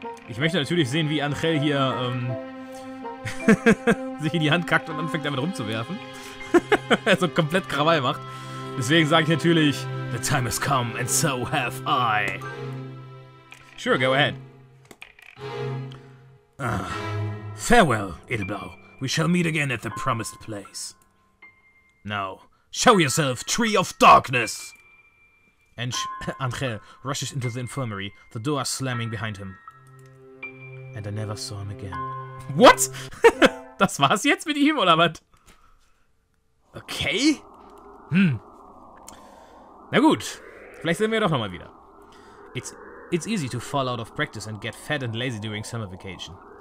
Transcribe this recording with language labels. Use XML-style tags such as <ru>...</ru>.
<de>Ich möchte natürlich sehen, wie Angel hier sich in die Hand kackt und anfängt damit rumzuwerfen. So komplett Krawall macht. Deswegen sage ich natürlich,</de> <en>the time has come and so have I. Sure, go ahead. Farewell, Edelblau. We shall meet again at the promised place. Now, show yourself, Tree of Darkness! And Angel rushes into the infirmary, the door slamming behind him. And I never saw him again.</en> <de>What? Das war's jetzt mit ihm, oder was? Okay. Na gut, vielleicht sehen wir doch nochmal wieder.</de> <en>It's easy to fall out of practice and get fat and lazy during summer vacation.</en>